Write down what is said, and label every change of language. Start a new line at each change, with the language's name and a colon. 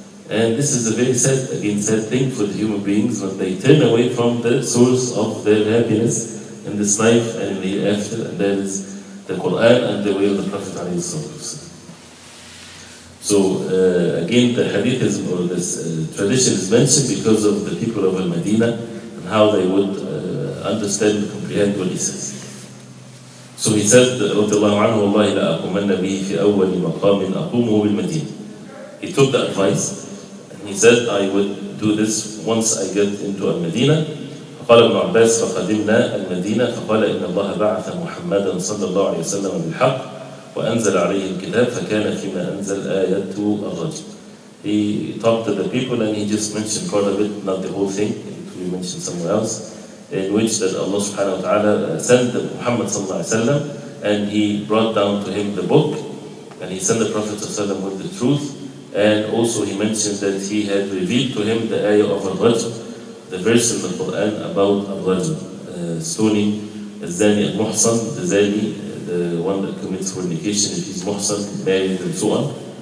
English: And this is a very sad, again, sad thing for the human beings when they turn away from the source of their happiness in this life and in the hereafter, and that is the Quran and the way of the Prophet ﷺ. So again, the hadith is, or this tradition is mentioned because of the people of Al-Madina and how they would understand and comprehend what he says. So he said,
Arabic: رضي الله عنه والله لا أقومن به في أول مقام أقومه بالمدينة.
English: He took the advice and he said, I would do this once I get into Al-Madina.
Arabic: فقال ابن عباس فقدمنا المدينة فقال إن الله بعث محمدا صلى الله عليه وسلم بالحق وأنزل عليه الكتاب فكان فيما أنزل آية الرجل.
English: He talked to the people and he just mentioned part of it, not the whole thing, it will be mentioned somewhere else, in which that Allah subhanahu wa ta'ala sent Muhammad sallallahu alayhi wa sallam, and he brought down to him the book, and he sent the Prophet sallallahu alayhi wa sallam with the truth, and also he mentioned that he had revealed to him the ayah of al-Rajm, the verse in the Quran about al-Rajm, stoning al-Zani al-Muhsan, the Zani, the one that commits fornication, if he's Muhsan, married and so on.